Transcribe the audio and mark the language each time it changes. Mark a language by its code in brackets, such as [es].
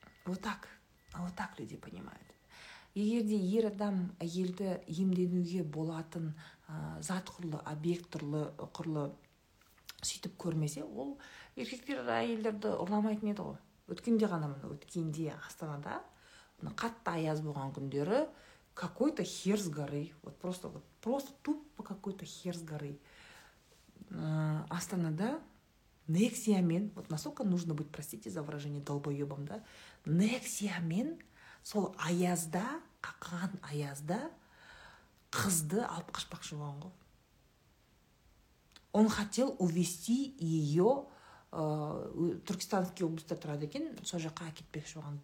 [ru] Вот так люди понимают. [kk] Егер де ер адам әйелді емденуге болатын зат құрлы, объект құрлы сөйтіп көрмесе, ол еркектер әйелдерді ұрламайтын еді ғой. Өткенде ғана мына өткенде Астанада қатты аяз болған күндері [ru] какой-то хер с горы. Просто тупо какой-то хер с горы. Астанада Нексиямен, насколько нужно быть, простите за выражение, долбоебом, да? [kk] Нексиямен сол аязда, қақыған аязда қызды алып қашпақшы болған ғой. [ru] Он хотел увести ее, [kk] Түркістанский облыста тұрады екен, сол жаққа әкетпекші болған.